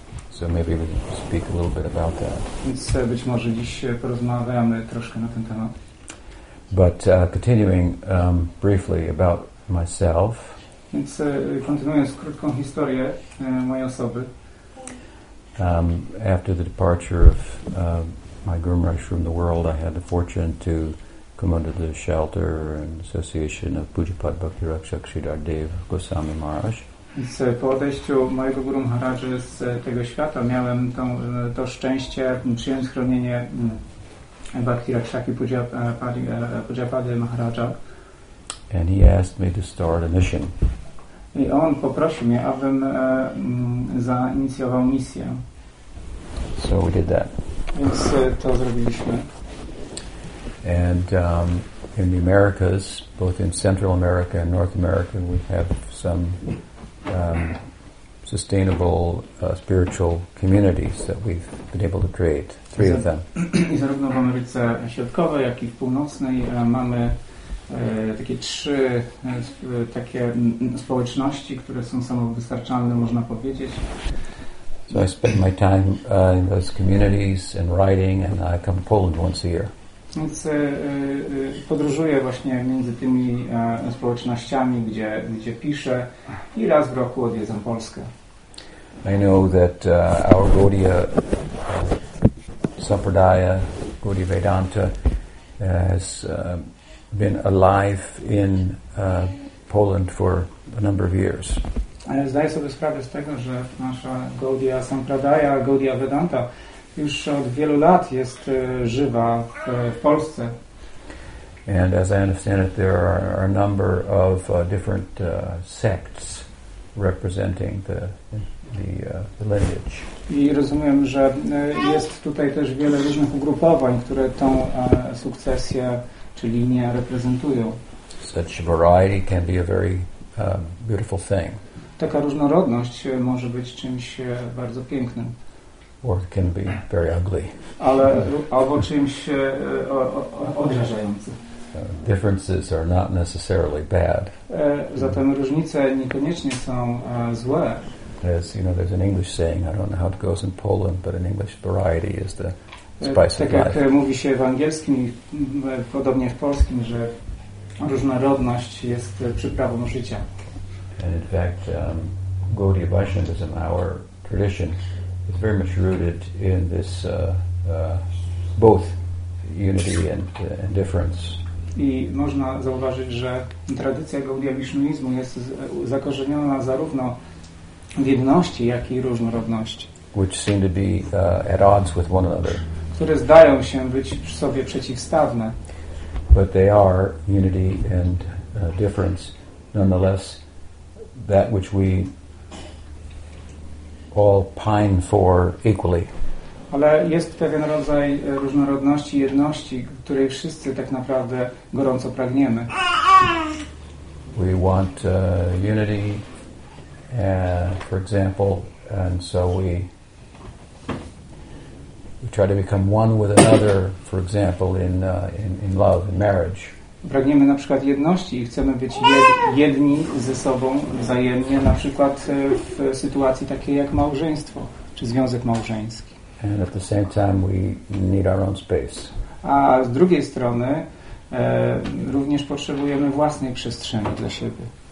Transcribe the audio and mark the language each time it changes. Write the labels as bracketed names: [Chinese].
[English] So maybe we can speak a little bit about that. [Polish] Więc być może dziś porozmawiamy troszkę na ten temat. [English] But continuing briefly about myself. [Polish] Więc kontynuując krótką historię mojej osoby. [English] After the departure of my Guru Maharaj from the world, I had the fortune to come under the shelter and association of Pujapad Bhakti Rakshak Sridhar Dev Goswami Maharaj. [Polish] Z po odejściu mojego Guru Maharaja z tego świata miałem to szczęście przyjąć chronienie Bhakti Rakshaki Pujapady Maharaja. [English] And he asked me to start a mission. [Polish] I on poprosił mnie, abym zainicjował misję. [English] So we did that. [Polish] Więc to zrobiliśmy. [English] And in the Americas, both in Central America and North America, we have some sustainable spiritual communities that we've been able to create, three of them. [Polish] I zarówno w Ameryce Środkowej, jak i w Północnej mamy takie trzy takie społeczności, które są samowystarczalne, można powiedzieć. [English] So I spend my time in those communities and writing, and I come to Poland once a year. [Polish] Więc podróżuję właśnie między tymi społecznościami, gdzie piszę, i raz w roku odwiedzam Polskę. [English] I know that our Gaudiya Sampradaya Gaudi Vedanta has been alive in Poland for a number of years. [Polish] Zdaję sobie sprawę z tego, że nasza Gaudiya Sampradaya, Gaudiya Vedanta, już od wielu lat jest żywa w Polsce. [English] And as I understand it, there are a number of different sects representing the lineage. [Polish] I rozumiem, że jest tutaj też wiele różnych ugrupowań, które tą sukcesję czy linię reprezentują. [English] Such variety can be a very beautiful thing. [Polish] Taka różnorodność może być czymś bardzo pięknym. [English] Or it can be very ugly. [Polish] Ale albo czymś odrażającym. [English] Differences are not necessarily bad. [Polish] Zatem różnice niekoniecznie są złe. [English] As you know, there's an English saying, I don't know how it goes in Poland, but an English variety is the spice [Polish] tak [English] of life. [Polish] Tak jak mówi się w angielskim, podobnie w polskim, że różnorodność jest przyprawą życia. [English] And in fact, Gaudiya Vaishnavism, our tradition, is very much rooted in this both unity and difference. [Polish] I można zauważyć, że tradycja Gaudiya Vishnuizmu jest zakorzeniona zarówno w jedności, jak i różnorodności. [English] Which seem to be at odds with one another. [Polish] Które zdają się być sobie przeciwstawne. [English] But they are unity and difference. Nonetheless, that which we all pine for equally. [Polish] Ale jest pewien rodzaj różnorodności, jedności, której wszyscy tak naprawdę gorąco pragniemy. [English] We want unity, for example, and so we try to become one with another, for example, in love, in marriage. [Polish] Pragniemy na przykład jedności i chcemy być jedni ze sobą wzajemnie, na przykład w sytuacji takiej jak małżeństwo czy związek małżeński. [English] And at the same time, we need our own space. [Polish] A z drugiej strony, również potrzebujemy własnej przestrzeni dla siebie.